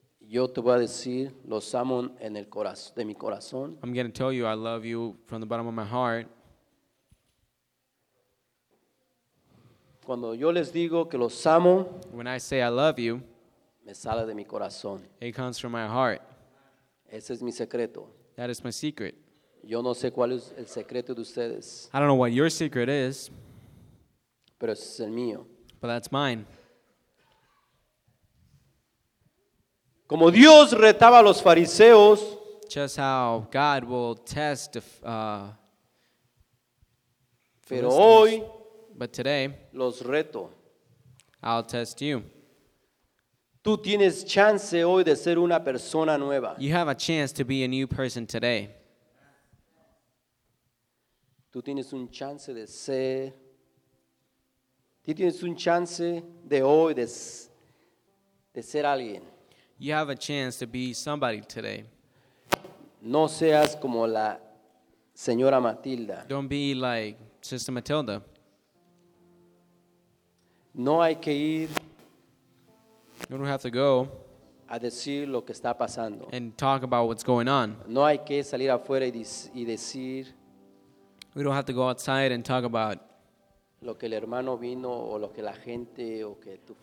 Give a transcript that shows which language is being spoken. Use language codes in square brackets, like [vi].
[es] Yo te voy a decir, los amo en el corazón, de mi corazón. [en] I'm going to tell you I love you from the bottom of my heart. [es] Cuando yo les digo que los amo, [en] when I say I love you, [es] me sale de mi corazón. [en] It comes from my heart. [es] Ese es mi secreto. [en] That is my secret. [es] Yo no sé cuál es el secreto de ustedes. [en] I don't know what your secret is. [es] Pero ese es el mío. [en] But that's mine. [es] Como Dios retaba a los fariseos, [en] just how God will test [es] pero hoy, [en] but today, [es] los reto. [en] I'll test you. [es] Tú tienes chance hoy de ser una persona nueva. [en] You have a chance to be a new person today. [es] Tú tienes un chance de ser. Tú tienes un chance de hoy de ser alguien. [en] You have a chance to be somebody today. [es] No seas como la señora Matilda. [en] Don't be like Sister Matilda. [es] No hay que ir. [en] You don't have to go [es] a decir lo que está pasando. [en] And talk about what's going on. [es] No hay que salir afuera y decir. [en] We don't have to go outside and talk about [es] lo que el hermano vino o lo que la gente o que tu familia.